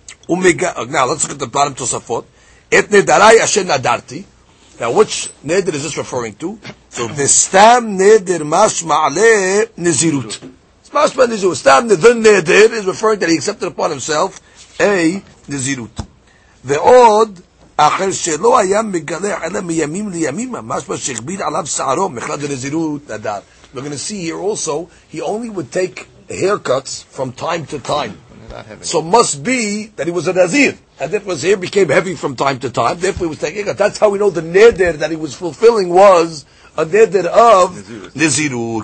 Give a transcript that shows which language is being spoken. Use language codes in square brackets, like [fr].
[en] Now let's look at the bottom Tosafot. [he] Et nedarai asher nadarti. [en] Now which neder is this referring to? So [he] v'stam neder mashma'ale nezirut. Mashma'ale nezirut. [en] Stam the neder is referring that he accepted upon himself a nezirut. The od. [he] אחר שלא היה מגלח אלא מימים לימים, ממש בשכביל עליו שערו, מכלל דנזירות נדר. [en] We're going to see here also, he only would take haircuts from time to time. So must be that he was a nazir. And if his hair became heavy from time to time, therefore he was taking haircuts. That's how we know the neder that he was fulfilling was a neder of nazirut.